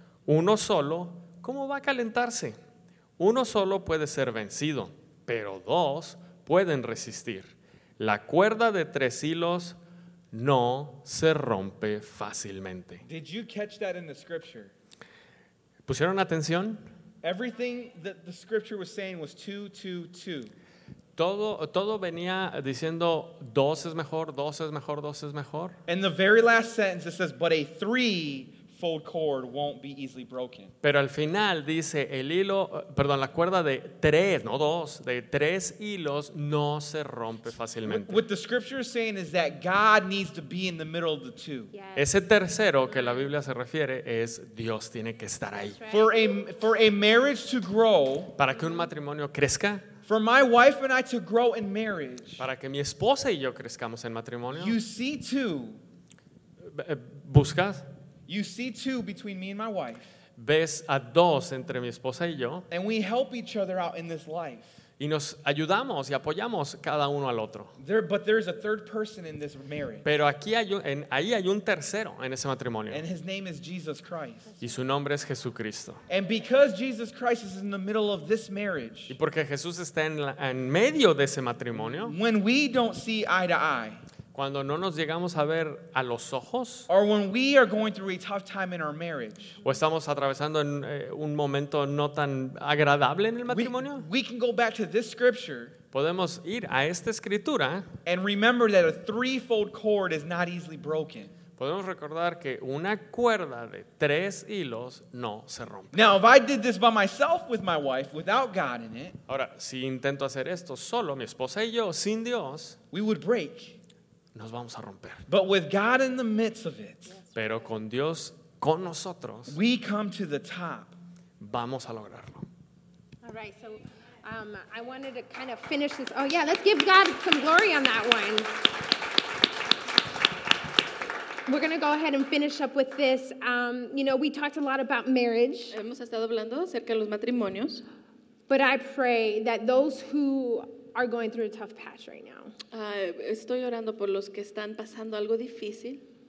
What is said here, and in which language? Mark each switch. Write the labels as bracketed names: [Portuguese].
[Spanish] Uno solo, ¿cómo va a calentarse? Uno solo puede ser vencido, pero dos pueden resistir. La cuerda de tres hilos no se rompe fácilmente. [English] Did you catch that in the scripture? [Spanish] ¿Pusieron atención? [English] Everything that the scripture was saying was two, two, two. [Spanish] Todo venía diciendo dos es mejor, dos es mejor, dos es mejor. [English] In the very last sentence it says, but a three-fold cord won't be easily broken. [Spanish] Pero al final dice, la cuerda de tres, no dos, de tres hilos no se rompe fácilmente. [English] What the scripture is saying is that God needs to be in the middle of the two. Yes. [Spanish] Ese tercero que la Biblia se refiere es Dios tiene que estar ahí. [English] Right. For a marriage to grow, [Spanish] para que un matrimonio crezca, [English] for my wife and I to grow in marriage, [Spanish] para que mi esposa y yo crezcamos en matrimonio, [English] you see two. [Spanish] ¿Buscas? [English] You see two between me and my wife. [Spanish] Ves a dos entre mi esposa y yo. [English] And we help each other out in this life. [Spanish] Y nos ayudamos y apoyamos cada uno al otro. [English] There, but there's a third person in this marriage. [Spanish] Pero aquí hay un tercero en ese matrimonio. [English] And his name is Jesus Christ. [Spanish] Y su nombre es Jesucristo. [English] And because Jesus Christ is in the middle of this marriage. [Spanish] Y porque Jesús está en medio de ese matrimonio. [English] When we don't see eye to eye. [Spanish] Cuando no nos llegamos a ver a los ojos. [English] Or when we are going through a tough time in our marriage. [Spanish] O estamos atravesando en un momento no tan agradable en el matrimonio. [English] We can go back to this scripture. [Spanish] Podemos ir a esta escritura. [English] And remember that a threefold cord is not easily broken. [Spanish] Podemos recordar que una cuerda de tres hilos no se rompe. [English] Now, if I did this by myself with my wife, without God in it. [Spanish] Ahora, si intento hacer esto solo, mi esposa y yo, sin Dios. [English] We would break. [Spanish] Nos vamos a romper. [English] But with God in the midst of it, [Spanish] pero con Dios con nosotros, [English] we come to the top. [Spanish] Vamos a lograrlo. [English] All right, so I wanted to kind of finish this. Oh yeah, let's give God some glory on that one. We're going to go ahead and finish up with this. You know, we talked a lot about marriage. [Spanish] Hemos estado hablando acerca de los matrimonios. [English] But I pray that those who are going through a tough patch right now. [Spanish] Estoy orando por los que están pasando algo difícil.